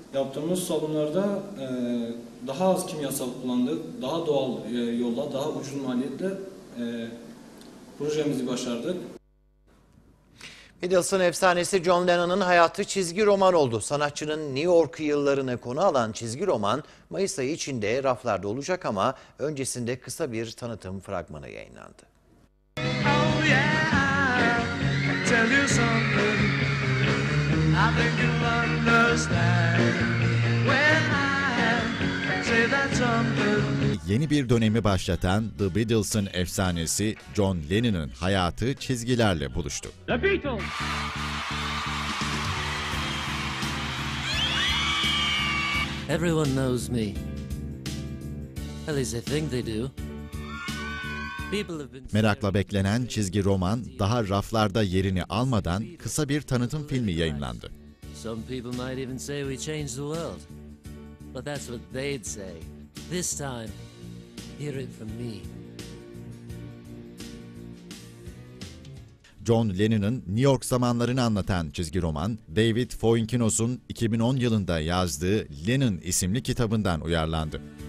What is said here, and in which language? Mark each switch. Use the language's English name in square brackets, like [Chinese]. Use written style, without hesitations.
[Turkish] Yaptığımız sabunlarda daha az kimyasal kullandık, daha doğal yolla, daha ucuz maliyetle projemizi başardık. Beatles'ın efsanesi John Lennon'ın hayatı çizgi roman oldu. Sanatçının New York yıllarını konu alan çizgi roman Mayıs ayı içinde raflarda olacak ama öncesinde kısa bir tanıtım fragmanı yayınlandı. [English] Oh yeah, tell you something. I think you'll understand when I say that something. [Turkish] Yeni bir dönemi başlatan The Beatles'ın efsanesi John Lennon'ın hayatı çizgilerle buluştu. [English] The Beatles. Everyone knows me. At least they think they do. [Turkish] Merakla beklenen çizgi roman daha raflarda yerini almadan kısa bir tanıtım filmi yayınlandı. [English] Some people might even say we changed the world. But that's what they'd say. This time hear it from me. [Turkish] John Lennon'ın New York zamanlarını anlatan çizgi roman, David Foinkinos'un 2010 yılında yazdığı Lennon isimli kitabından uyarlandı.